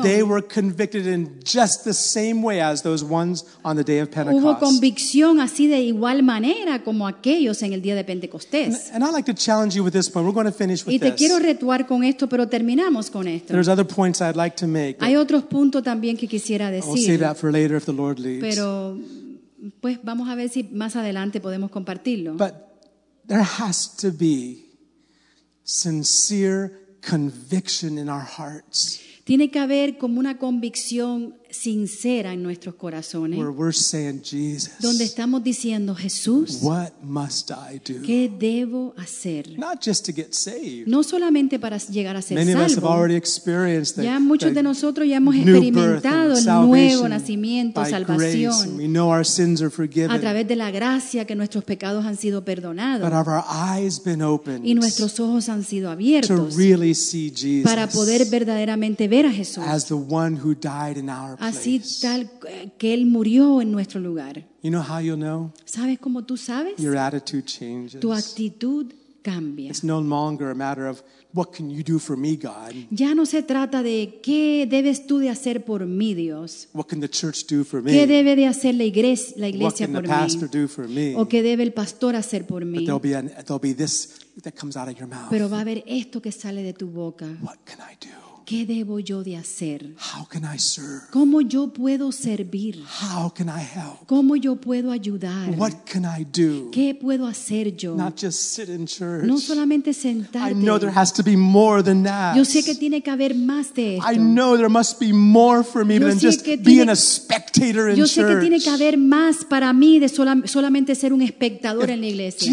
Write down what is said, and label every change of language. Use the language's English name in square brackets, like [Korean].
[English] they were convicted in just the same way as those ones on the day of Pentecost. [Spanish] Hubo convicción así de igual manera como aquellos en el día de Pentecostés. [English] And I like to challenge you with this point. We're going to finish with [Spanish] y te [English] this. [Spanish] Quiero retuar con esto, pero terminamos con esto. [English] There's other points I'd like to make. [Spanish] Hay otros puntos también que quisiera decir. [English] I'll save that for later if the Lord leads. [Spanish] Pero pues vamos a ver si más adelante podemos compartirlo. [English] But there has to be sincere conviction in our hearts. [Spanish] Tiene que haber como una convicción sincera en nuestros corazones. [English] Where we're saying, Jesus, [Spanish] donde estamos diciendo, Jesús, [English] what must I do? [Spanish] ¿Qué debo hacer? [English] Not just to get saved. [Spanish] No solamente para llegar a ser [English] Many Of us have already experienced [Spanish] ya muchos de nosotros ya hemos experimentado el nuevo nacimiento, salvación. [English] By grace, and we know our sins are forgiven. [Spanish] A través de la gracia que nuestros pecados han sido perdonados. [English] But have our eyes been opened [Spanish] y nuestros ojos han sido abiertos [English] to really see Jesus [Spanish] para poder verdaderamente ver a Jesús [English] as the one who died in our [Spanish] así tal que Él murió en nuestro lugar. [English] You know how you'll know? [Spanish] ¿Sabes cómo tú sabes? [English] Your attitude changes. [Spanish] Tu actitud cambia. [English] It's no longer a matter of what can you do for me, God? [Spanish] Ya no se trata de qué debes tú de hacer por mí, Dios. [English] What can the church do for me? [Spanish] ¿Qué debe de hacer la iglesia por mí? [English] What can the pastor do for me? [Spanish] ¿O qué debe el pastor hacer por mí? [English] But there'll be this that comes out of your mouth. [Spanish] Pero va a haber esto que sale de tu boca. [English] What can I do? [Spanish] ¿Qué debo yo de hacer? [English] How can I serve? [Spanish] ¿Cómo yo puedo servir? [English] How can I help? [Spanish] ¿Cómo yo puedo ayudar? [English] What can I do? [Spanish] ¿Qué puedo hacer yo? [English] Not just sit in church. [Spanish] No solamente sentarte. [English] I know there has to be more than that. [Spanish] Yo sé que tiene que haber más de esto. [English] I know there must be more for me than just being a spectator in church. [Spanish] Yo sé que tiene que haber más para mí de solamente ser un espectador en la iglesia.